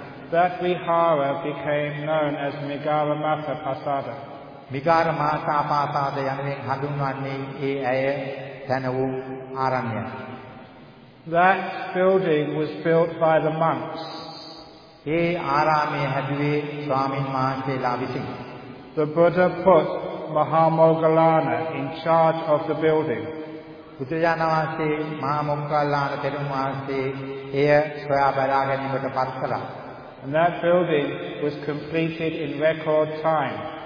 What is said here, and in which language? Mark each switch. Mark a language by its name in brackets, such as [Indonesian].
[English] That vihara became known as Migala Matha Pasada. [Sinhala] මිගාර මාතාපාතාද යනුවෙන් හඳුන්වන්නේ ඒ ඇය තැන වූ ආරණ්‍යය. [English] That building was built by the monks. [Sinhala] ඒ ආරාමයේ හැදුවේ ස්වාමීන් වහන්සේලා විසින්. [English] The Buddha put Mahamoggallana in charge of the building. [Sinhala] බුදුජාණන් වහන්සේ මහමොග්ගල්ලාන තෙරුන් වහන්සේ එය සොයා බලා ගැනීමට පත් කළා. [English] And that building was completed in record time.